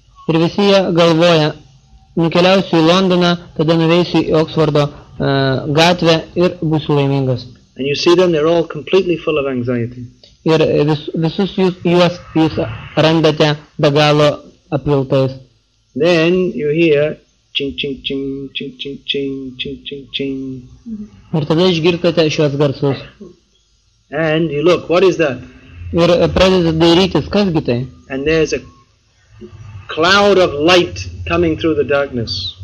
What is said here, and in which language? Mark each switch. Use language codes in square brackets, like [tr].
[en] And you see them, they're all completely full of anxiety. [lt] Ir visus juos jūs randate be galo apiltais. [en] Then you hear ching ching ching ching ching ching ching ching ching. [lt] Ir tada išgirstate šiuos garsus. [en] And you look, what is that? [lt] Ir pradedate dairytis, kasgi tai? [en] And there's a cloud of light coming through the darkness.